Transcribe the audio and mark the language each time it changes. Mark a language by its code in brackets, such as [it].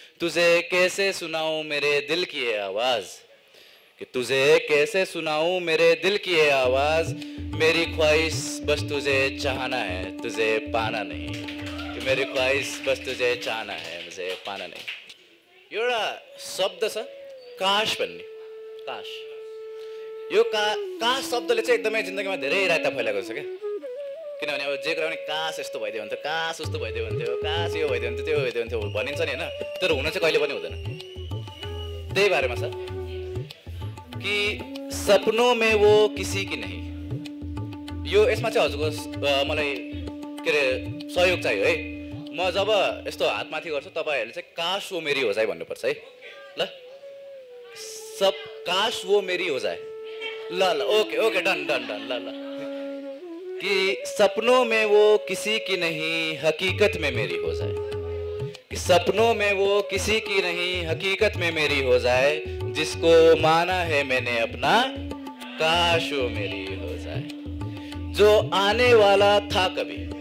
[hi] तुझे कैसे सुनाऊं मेरे दिल की ये आवाज, कि तुझे कैसे सुनाऊं मेरे दिल की ये आवाज। मेरी ख्वाहिश बस तुझे चाहना है, तुझे पाना नहीं। कि मेरी ख्वाहिश बस तुझे चाहना है, मुझे पाना नहीं। [ne] एउटा शब्द छ काश भन्ने, काश। यो काश शब्दले चाहिँ एकदमै जिन्दगीमा धेरै रायता फैलाएको छ क्या, किनभने अब जे कुरा पनि काश यस्तो भइदियो भने त, काश उस्तो भइदियो भने त्यो, काश यो भइदियो भने त्यो भइदियो भने त्यो भनिन्छ नि होइन, तर हुन चाहिँ कहिले पनि हुँदैन। त्यही बारेमा छ [hi] कि सपनों में वो किसी की नहीं। [ne] यो यसमा चाहिँ हजुरको मलाई के अरे सहयोग चाहियो है। म जब यस्तो हातमाथि गर्छु तपाईँहरूले चाहिँ [hi] काश वो मेरी हो जाए [ne] भन्नुपर्छ है, ल सब काश वो मेरी हो जाए। [hi] ल ल okay okay done done done ल ल कि सपनों में वो किसी की नहीं, हकीकत में मेरी हो जाए। कि सपनों में वो किसी की नहीं, हकीकत में मेरी हो जाए। जिसको माना है मैंने अपना, काश वो मेरी हो जाए। जो आने वाला था कभी,